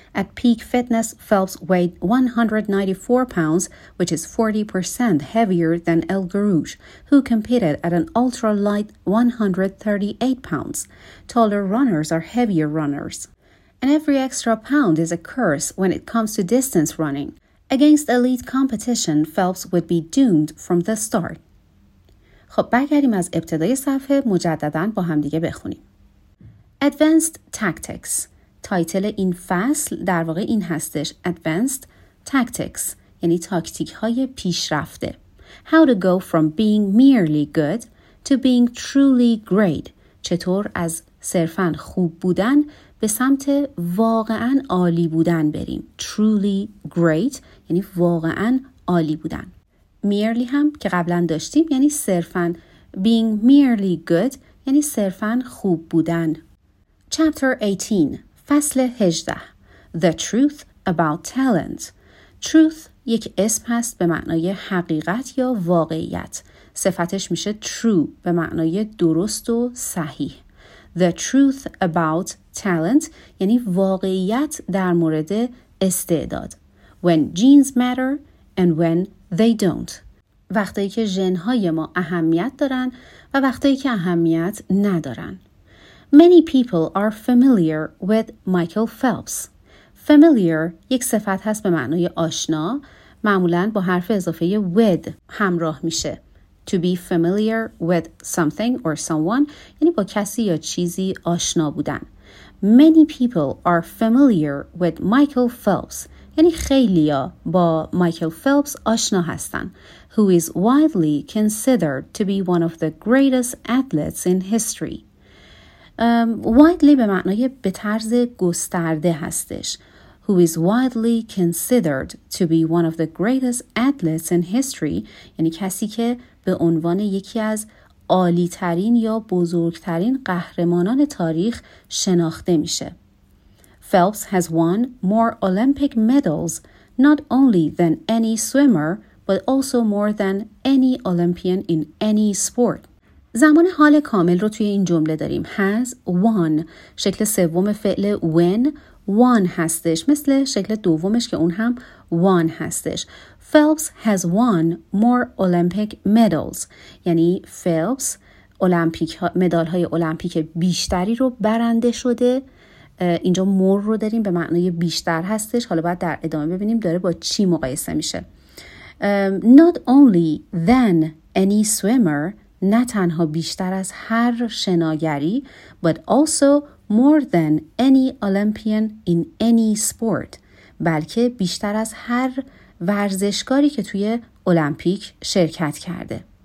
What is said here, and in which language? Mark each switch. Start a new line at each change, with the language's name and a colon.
English: At peak fitness, Phelps weighed 194 pounds, which is 40% heavier than El-Guerrouj, who competed at an ultra-light 138 pounds. Taller runners are heavier runners. And every extra pound is a curse when it comes to distance running. Against elite competition, Phelps would be doomed from the start.
Persian: خب برگردیم از ابتدای صفحه مجدداً با هم دیگه بخونیم.
English: Advanced Tactics.
Persian: تایتل این فصل در واقع این هستش:
English: Advanced Tactics،
Persian: یعنی تاکتیک های پیشرفته.
English: How to go from being merely good to being truly great.
Persian: چطور از صرفاً خوب بودن به سمت واقعاً عالی بودن بریم.
English: Truly great
Persian: یعنی واقعاً عالی بودن. Merely هم که قبلاً داشتیم یعنی صرفاً.
English: Being merely good
Persian: یعنی صرفاً خوب بودن.
English: Chapter 18،
Persian: فصل 18.
English: The truth about talent.
Persian: Truth یک اسم هست به معنای حقیقت یا واقعیت. صفتش میشه true به معنای درست و صحیح.
English: The truth about talent
Persian: یعنی واقعیت در مورد استعداد.
English: When genes matter and when they don't.
Persian: وقتی که ژن‌های ما اهمیت دارن و وقتی که اهمیت ندارن.
English: Many people are familiar with Michael Phelps.
Persian: Familiar یک صفت هست به معنای آشنا، معمولاً با حرف اضافه with همراه میشه.
English: To be familiar with something or someone
Persian: یعنی با کسی یا چیزی آشنا بودن.
English: Many people are familiar with Michael Phelps
Persian: یعنی خیلی ها با مایکل فلپس آشنا هستن.
English: Who is widely considered to be one of the greatest athletes in history.
Persian: Widely به معنای به طرز گسترده هستش.
English: Who is widely considered to be one of the greatest athletes in history
Persian: یعنی کسی که به عنوان یکی از عالی ترین یا بزرگترین قهرمانان تاریخ شناخته میشه.
English: Phelps has won more Olympic medals not only than any swimmer but also more than any Olympian in any sport.
Persian: زمان حال کامل رو توی این جمله داریم.
English: has won.
Persian: شکل سوم فعل
English: when won
Persian: هستش، مثل شکل دومش که اون هم won هستش.
English: Phelps has won more Olympic medals.
Persian: یعنی Phelps مدال‌های المپیک بیشتری رو برنده شده. اینجا more رو داریم به معنای بیشتر هستش. حالا بعد در ادامه ببینیم داره با چی مقایسه میشه.
English: Not only than any swimmer،
Persian: نه تنها بیشتر از هر شناگری،
English: but also more than any Olympian in any sport،
Persian: بلکه بیشتر از هر ورزشکاری که توی المپیک شرکت کرده.